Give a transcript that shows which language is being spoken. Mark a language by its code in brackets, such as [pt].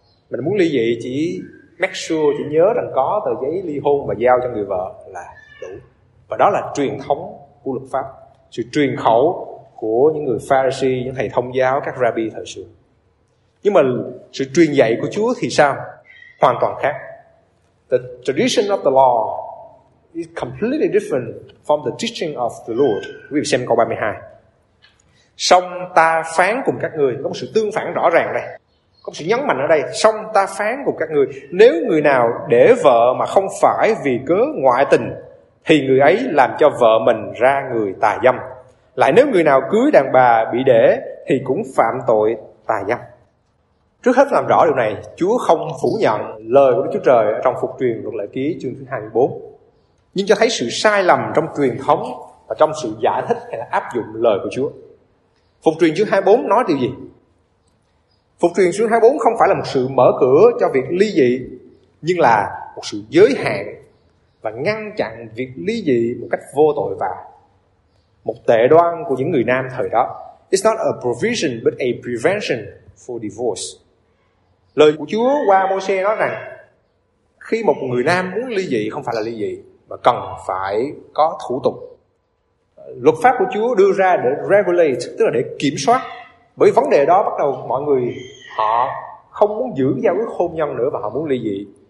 [vi] Mình muốn ly dị chỉ [en] make sure, [vi] chỉ nhớ rằng có tờ giấy ly hôn và giao cho người vợ là đủ. Và đó là truyền thống của luật pháp, sự truyền khẩu của những người Pharisee, những thầy thông giáo, các Rabbi thời xưa. Nhưng mà sự truyền dạy của Chúa thì sao? Hoàn toàn khác. [en] The tradition of the law is completely different from the teaching of the Lord. [vi] Quý vị xem câu 32. Song ta phán cùng các người, có một sự tương phản rõ ràng đây, có một sự nhấn mạnh ở đây. Song ta phán cùng các người, nếu người nào để vợ mà không phải vì cớ ngoại tình thì người ấy làm cho vợ mình ra người tà dâm. Lại nếu người nào cưới đàn bà bị để thì cũng phạm tội tà dâm. Trước hết làm rõ điều này, Chúa không phủ nhận lời của Đức Chúa Trời trong Phục Truyền Luật Lệ Ký chương thứ 24, nhưng cho thấy sự sai lầm trong truyền thống và trong sự giải thích hay là áp dụng lời của Chúa. Phục Truyền chương 24 nói điều gì? Phục Truyền chương 24 không phải là một sự mở cửa cho việc ly dị, nhưng là một sự giới hạn và ngăn chặn việc ly dị một cách vô tội vạ. Một tệ đoan của những người nam thời đó. [en] It's not a provision but a prevention for divorce. [vi] Lời của Chúa qua Môi-se nói rằng khi một người nam muốn ly dị không phải là ly dị, mà cần phải có thủ tục. Luật pháp của Chúa đưa ra để regulate, tức là để kiểm soát. Bởi vấn đề đó bắt đầu mọi người họ không muốn giữ giao ước hôn nhân nữa và họ muốn ly dị.